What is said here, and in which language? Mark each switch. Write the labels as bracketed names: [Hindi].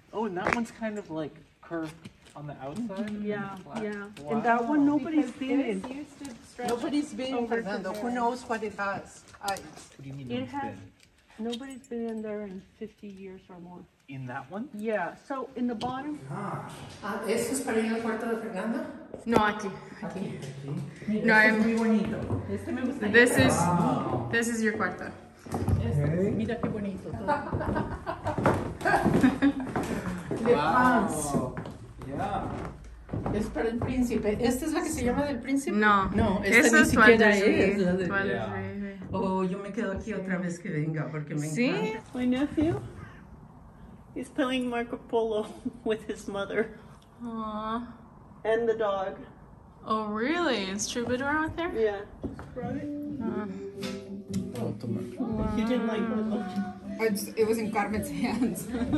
[English] Oh, and that one's kind of like curved on the outside. Yeah, yeah. And that one nobody's been in. Nobody's been in. Who knows what it has? What do you mean it has? Nobody's been in there in 50 years or more. In that one? Yeah. So in the bottom. [Spanish] ¿Eso es para ir al cuarto de Fernando? No, aquí. Aquí. No, es muy bonito. Este me gusta. [English] This is your cuarto. [Spanish] Mira qué bonito. [English] Wow. Yeah. [Spanish] Es para el príncipe. ¿Esta es la que se llama del príncipe? No. No, esta ni siquiera es. Esa es la de... [English] Yeah. [Spanish] Oh, yo me quedo aquí otra vez que venga, porque me ¿Sí? encanta. ¿Sí? [English] My nephew is playing Marco Polo with his mother. Aww. And the dog. Oh, really? Is Troubadour out there? Yeah. Right? He didn't like Polo. It was in Carmen's hands.